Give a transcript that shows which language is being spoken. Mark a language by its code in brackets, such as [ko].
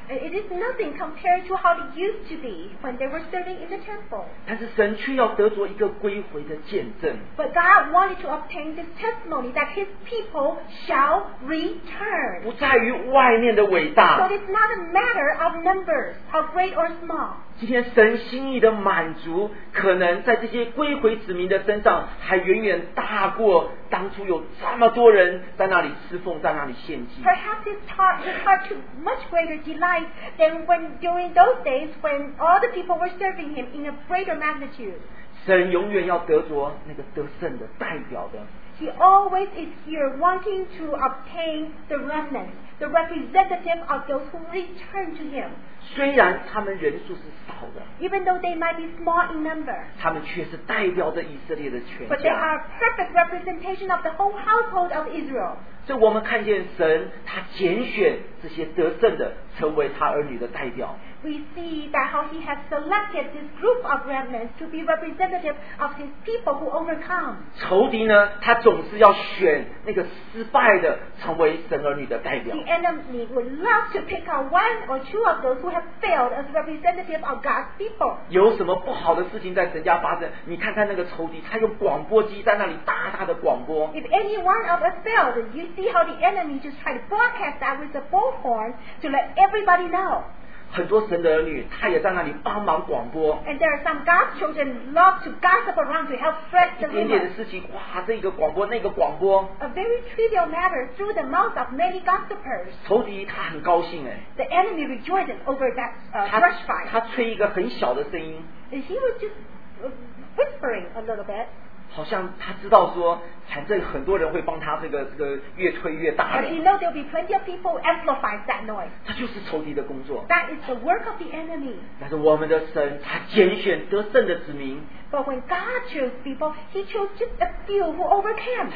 [en] It is nothing compared to how it used to be when they were serving in the temple. [zh] 但是神却要得着一个归回的见证。 [en] But God wanted to obtain this testimony that His people shall return. [zh] 不在于外面的伟大。 [en] So it's not a matter of numbers, how great or small. [zh] 今天神心意的满足，可能在这些归回子民的身上，还远远大过当初有这么多人在那里侍奉，在那里献祭。 [en] Perhaps it's taught to much greater delight than when during those days when all the people were serving him in a greater magnitude. [zh] 神永远要得着那个得胜的代表的。 [en] He always is here wanting to obtain the remnant, the representative of those who return to him. [zh] 虽然他们人数是少的， [en] even though they might be small in number, [zh] 他们却是代表着以色列的全家。 [en] But they are a perfect representation of the whole household of Israel. [zh] 所以我们看见神，他拣选这些得胜的，成为他儿女的代表。 [en] We see that how he has selected this group of remnants to be representative of his people who overcome. [zh] 仇敌呢，他总是要选那个失败的成为神儿女的代表。 [en] The enemy would love to pick out one or two of those who have failed as representative of God's people. [zh] 有什么不好的事情在神家发生？你看看那个仇敌，他用广播机在那里大大的广播。 [en] If any one of us failed, you see how the enemy just tried to broadcast that with a bullhorn to let everybody know. [zh] 很多神的儿女，他也在那里帮忙广播。 [en] And there are some God's children love to gossip around to help spread the rumor. [zh] 一点点的事情，哇，这个广播，那个广播。 [en] A very trivial matter through the mouth of many gossipers. [zh] 仇敌他很高兴哎。 [en] The enemy rejoices over that fresh fire. [zh] 他吹一个很小的声音。 [en] And he was just whispering a little bit. [zh] 好像他知道说，反正很多人会帮他这个越吹越大。 [en] But he knows there'll be plenty of people amplify that noise. [zh] 他就是仇敌的工作。 [en] That is the work of the enemy. [zh] 但是我们的神，他拣选得胜的子民。 [en] But when God chose people, He chose just a few who overcame.